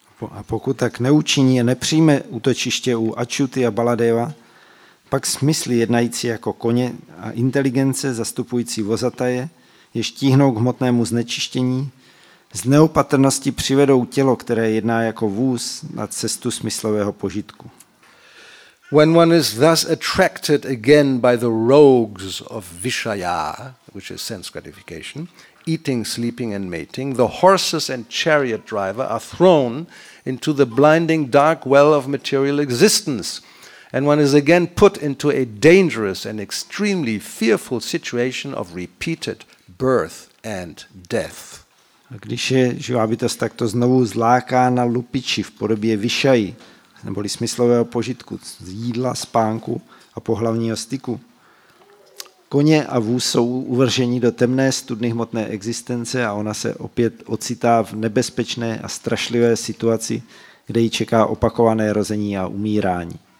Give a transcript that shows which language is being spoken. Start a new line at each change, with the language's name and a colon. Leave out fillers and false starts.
Czech: A pokud tak neučiní a nepřijme útočiště u Achyuty a Baladeva, pak smysly jednající jako koně a inteligence zastupující vozataje, jež tíhnou k hmotnému znečištění, z neopatrnosti přivedou tělo, které jedná jako vůz na cestu smyslového požitku.
English: When one is thus attracted again by the rogues of Vishaya, which is sense gratification, eating, sleeping and mating, the horses and chariot driver are thrown into the blinding dark well of material existence, and one is again put into a dangerous and extremely fearful situation of repeated birth and death.
Czech: A když je živá bytost takto znovu zlákána lupiči v podobě Vishayi, neboli smyslového požitku z jídla, spánku a pohlavního styku, koně a vůz jsou uvrženi do temné studny hmotné existence a ona se opět ocitá v nebezpečné a strašlivé situaci, kde ji čeká opakované rození a umírání.